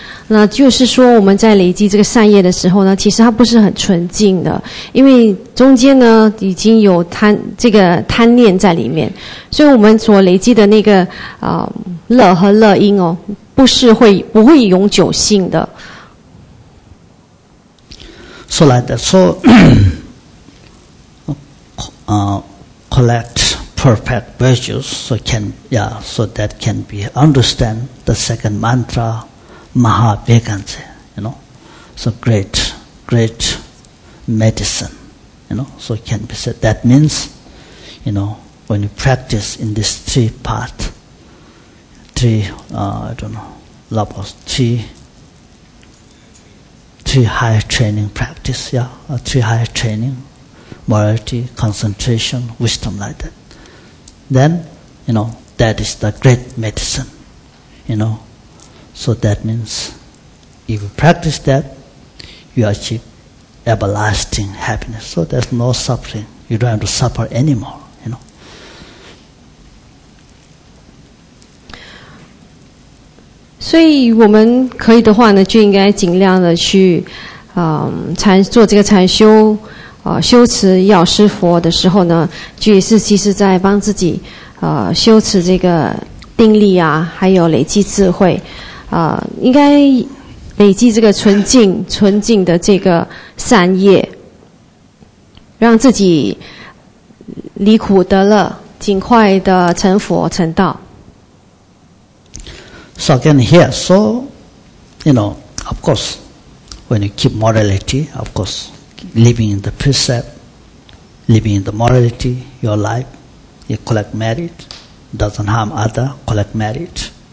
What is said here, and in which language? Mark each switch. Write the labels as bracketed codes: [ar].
[zh] 那就是说，我们在累积这个善业的时候呢，其实它不是很纯净的，因为中间呢已经有贪念在里面，所以我们所累积的那个乐和乐因哦，不会永久性的。 [en] So like that, so collect perfect virtues, so that can be understand the second mantra. Mahavegansa, you know, so great, great medicine, you know, so it can be said. That means, you know, when you practice in this three part, three high training practice, three high training, morality, concentration, wisdom like that. Then, you know, that is the great medicine, you know. So that means, if you practice that, you achieve everlasting happiness. So there's no suffering. You don't have to suffer anymore, you know. [zh] 所以我们可以的话呢，就应该尽量的去，做这个禅修，修持药师佛的时候呢，就也是其实在帮自己，修持这个定力啊，还有累积智慧。应该累积这个纯净的这个善业，让自己离苦得乐，尽快的成佛成道。 [en] So again here, so you know, of course, when you keep morality, of course, living in the precept, living in the morality, your life, you collect merit, doesn't harm other, collect merit.